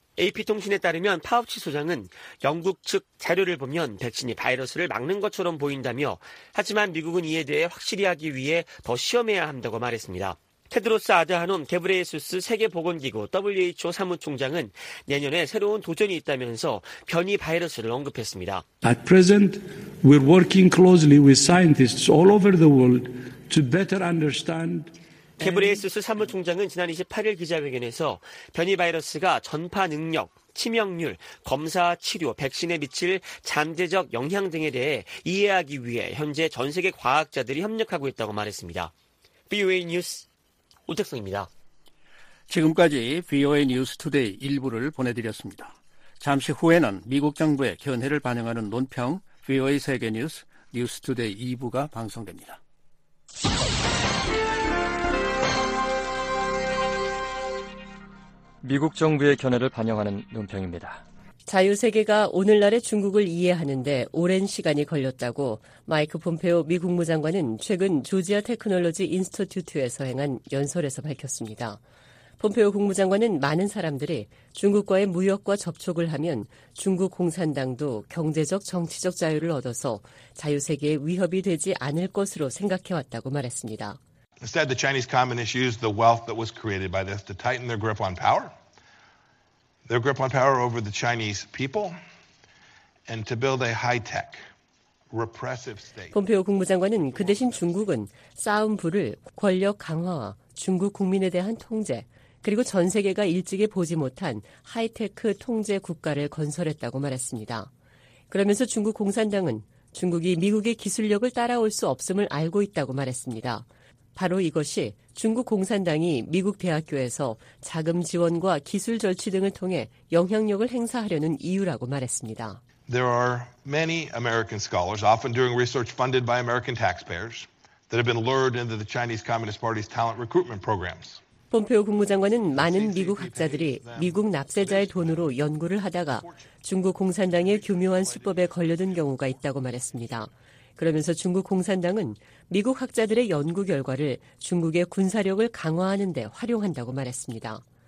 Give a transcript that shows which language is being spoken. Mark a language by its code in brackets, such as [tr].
[ko] AP통신에 따르면 파우치 소장은 영국 측 자료를 보면 백신이 바이러스를 막는 것처럼 보인다며 하지만 미국은 이에 대해 확실히 하기 위해 더 시험해야 한다고 말했습니다. 테드로스 아드하놈 게브레이수스 세계보건기구 WHO 사무총장은 내년에 새로운 도전이 있다면서 변이 바이러스를 언급했습니다. [en] At present, we're working closely with scientists all over the world to better understand. [ko] 게브레이수스 사무총장은 지난 28일 기자회견에서 변이 바이러스가 전파 능력, 치명률, 검사, 치료, 백신에 미칠 잠재적 영향 등에 대해 이해하기 위해 현재 전 세계 과학자들이 협력하고 있다고 말했습니다. BOA 뉴스 오택성입니다. 지금까지 VOA 뉴스 투데이 일부를 보내드렸습니다. 잠시 후에는 미국 정부의 견해를 반영하는 논평 VOA 세계 뉴스 뉴스 투데이 2부가 방송됩니다. 미국 정부의 견해를 반영하는 논평입니다. 자유세계가 오늘날의 중국을 이해하는 데 오랜 시간이 걸렸다고 마이크 폼페오 미 국무장관은 최근 조지아 테크놀로지 인스티튜트에서 행한 연설에서 밝혔습니다. 폼페오 국무장관은 많은 사람들이 중국과의 무역과 접촉을 하면 중국 공산당도 경제적, 정치적 자유를 얻어서 자유세계에 위협이 되지 않을 것으로 생각해왔다고 말했습니다. [en] Instead, the Chinese Communists used the wealth that was created by this to tighten their grip on power. Their grip on power over the Chinese people and to build a high-tech, repressive state. [ko] 폼페오 국무장관은 그 대신 중국은 싸움부를 권력 강화와 중국 국민에 대한 통제, 그리고 전 세계가 일찍이 보지 못한 하이테크 통제 국가를 건설했다고 말했습니다. 그러면서 중국 공산당은 중국이 미국의 기술력을 따라올 수 없음을 알고 있다고 말했습니다. 바로 이것이 중국 공산당이 미국 대학교에서 자금 지원과 기술 절취 등을 통해 영향력을 행사하려는 이유라고 말했습니다. [en] There are many American scholars, often doing research funded by American taxpayers, that have been lured into the Chinese Communist Party's talent recruitment programs. [ko] 폼페오 국무장관은 많은 미국 학자들이 미국 납세자의 돈으로 연구를 하다가 중국 공산당의 교묘한 수법에 걸려든 경우가 있다고 말했습니다. 그러면서 중국 공산당은 미국 학자들의 연구 결과를 중국의 군사력을 강화하는 데 활용한다고 말했습니다.